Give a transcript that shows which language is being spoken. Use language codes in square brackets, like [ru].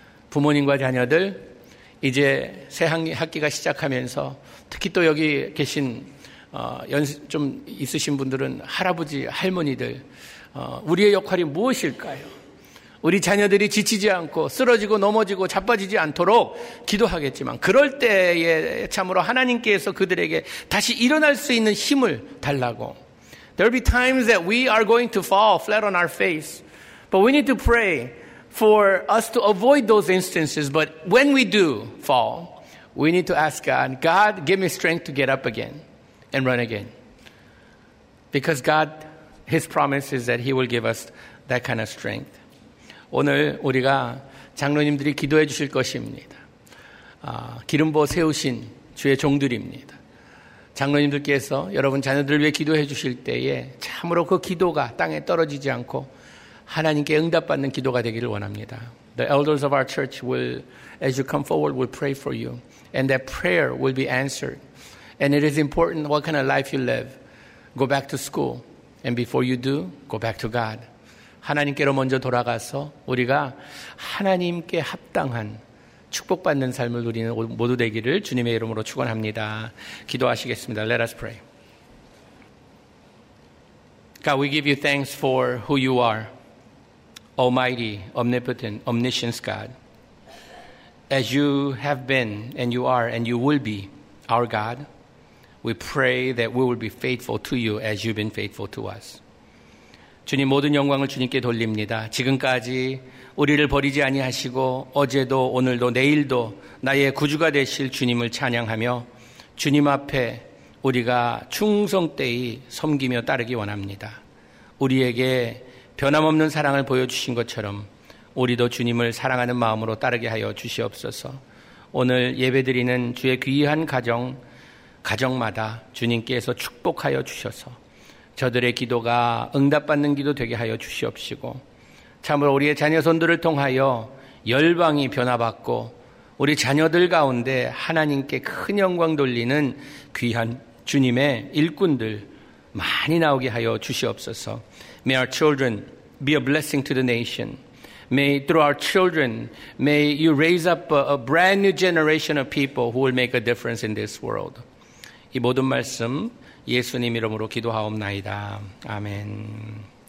[ko] 부모님과 자녀들 이제 새 학기가 시작하면서 특히 또 여기 계신 좀 있으신 분들은 할아버지, 할머니들, 우리의 역할이 무엇일까요? 우리 자녀들이 지치지 않고 쓰러지고 넘어지고 자빠지지 않도록 기도하겠지만 그럴 때에 참으로 하나님께서 그들에게 다시 일어날 수 있는 힘을 달라고. [en] There'll be times that we are going to fall flat on our face, but we need to pray for us to avoid those instances. But when we do fall, we need to ask God, God, give me strength to get up again. And run again. Because God, His promise is that He will give us that kind of strength. [ko] 오늘 우리가 장로님들이 기도해 주실 것입니다. 기름 부어 세우신 주의 종들입니다. 장로님들께서 여러분 자녀들을 위해 기도해 주실 때에 참으로 그 기도가 땅에 떨어지지 않고 하나님께 응답받는 기도가 되기를 원합니다. [en] The elders of our church will, as you come forward, will pray for you. And that prayer will be answered. And it is important what kind of life you live. Go back to school. And before you do, go back to God. [ko] 하나님께로 먼저 돌아가서 우리가 하나님께 합당한 축복받는 삶을 누리는 모두 되기를 주님의 이름으로 축원합니다. 기도하시겠습니다. [en] Let us pray. God, we give you thanks for who you are. Almighty, omnipotent, omniscient God. As you have been and you are and you will be our God, we pray that we will be faithful to you as you've been faithful to us. [ko] 주님 모든 영광을 주님께 돌립니다. 지금까지 우리를 버리지 아니하시고 어제도 오늘도 내일도 나의 구주가 되실 주님을 찬양하며 주님 앞에 우리가 충성되이 섬기며 따르기 원합니다. 우리에게 변함없는 사랑을 보여주신 것처럼 우리도 주님을 사랑하는 마음으로 따르게 하여 주시옵소서. 오늘 예배드리는 주의 귀한 가정, 가정마다 주님께서 축복하여 주셔서 저들의 기도가 응답받는 기도 되게 하여 주시옵시고 참으로 우리의 자녀 손들을 통하여 열방이 변화받고 우리 자녀들 가운데 하나님께 큰 영광 돌리는 귀한 주님의 일꾼들 많이 나오게 하여 주시옵소서. [en] May our children be a blessing to the nation. May through our children, may you raise up a brand new generation of people who will make a difference in this world. [ko] 이 모든 말씀 예수님 이름으로 기도하옵나이다. 아멘.